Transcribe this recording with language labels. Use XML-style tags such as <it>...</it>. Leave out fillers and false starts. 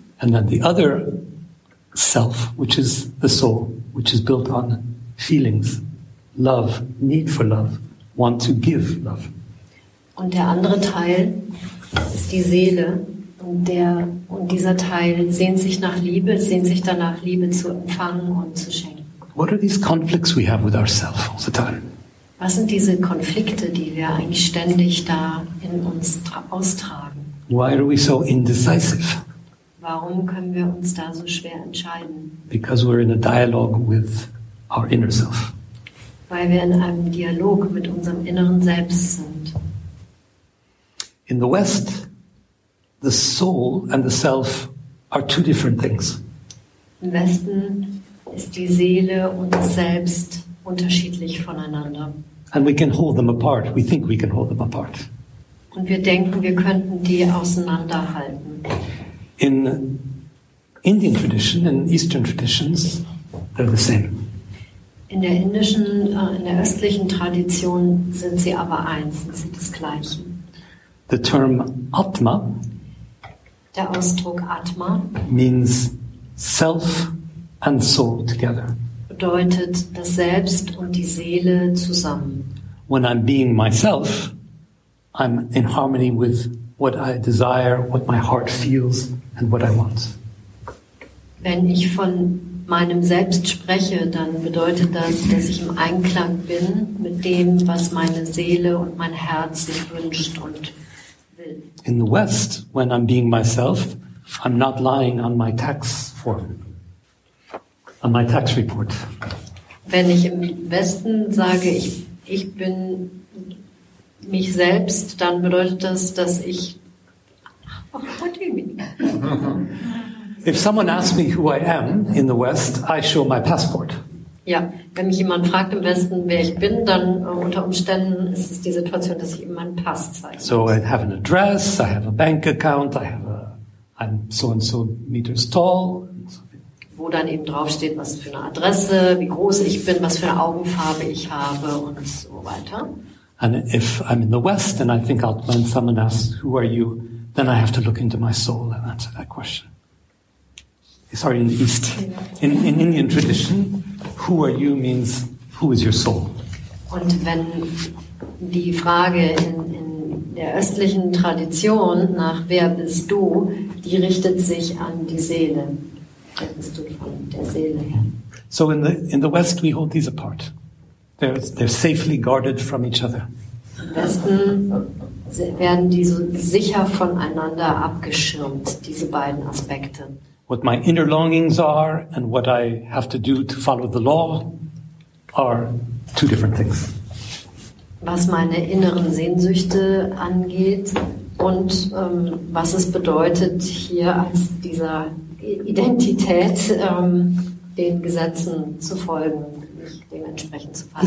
<en>And then the other self, which is the soul, which is built on feelings, love, need for love, want to give love.</en> <de>Und der andere Teil ist die Seele. Und dieser Teil sehnt sich nach Liebe, sehnt sich danach, Liebe zu empfangen und zu schenken.</de> <en>What are these conflicts we have with ourselves all the time?</en> <de>Was sind diese Konflikte, die wir eigentlich ständig da in uns austragen?</de> <en>Why are we so indecisive?</en> <de>Warum können wir uns da so schwer entscheiden?</de> <en>Because we're in a dialogue with our inner self.</en> <de>Weil wir in einem Dialog mit unserem inneren Selbst sind.</de> <en>In the West, the soul and the self are two different things.</en> <de>Im Westen ist die Seele und das Selbst unterschiedlich voneinander.</de> <en>And we can hold them apart. We think we can hold them apart.</en> <de>Und wir denken, wir könnten die auseinanderhalten.</de> <en>In Indian tradition and Eastern traditions, they're the same.</en> <de>In der indischen, in der östlichen Tradition sind sie aber eins, sind das Gleiche.</de> <en>The term Atma.</en> <de>Der Ausdruck Atma</de> <en>means self and soul together.</en> <de>Bedeutet das Selbst und die Seele zusammen.</de> <en>When I'm being myself, I'm in harmony with what I desire, what my heart feels and what I want.</en> <de>Wenn ich von meinem Selbst spreche, dann bedeutet das, dass ich im Einklang bin mit dem, was meine Seele und mein Herz sich wünscht und</de> <en>in the West, when I'm being myself, I'm not lying on my tax form, on my tax report.</en> <de>Wenn ich im Westen sage, ich bin mich selbst, dann bedeutet das, dass ich.</de> <en>What do you mean? If someone asks me who I am in the West, I show my passport.</en> <de>Ja, wenn mich jemand fragt im Westen, wer ich bin, dann unter Umständen ist es die Situation, dass ich ihm meinen Pass zeige.</de> <en>So I have an address, I have a bank account, I have a, I'm so and so meters tall.</en> <de>Wo dann eben draufsteht, was für eine Adresse, wie groß ich bin, was für eine Augenfarbe ich habe und so weiter.</de> <en>And if I'm in the West and I think out when someone asks, who are you, then I have to look into my soul and answer that question. Sorry, in the East. In Indian tradition, who are you means who is your soul?</en> <de>Und wenn die Frage in der östlichen Tradition nach wer bist du, die richtet sich an die Seele. Wer bist du von der Seele her?</de> <en>So in the West we hold these apart. They're safely guarded from each other.</en> <de>Im Westen werden die so sicher voneinander abgeschirmt, diese beiden Aspekte.</de> <en>What my inner longings are and what I have to do to follow the law are two different things.</en> <de>Was meine inneren Sehnsüchte angeht und was es bedeutet, hier als dieser Identität den Gesetzen zu folgen, mich dementsprechend zu verhalten.</de>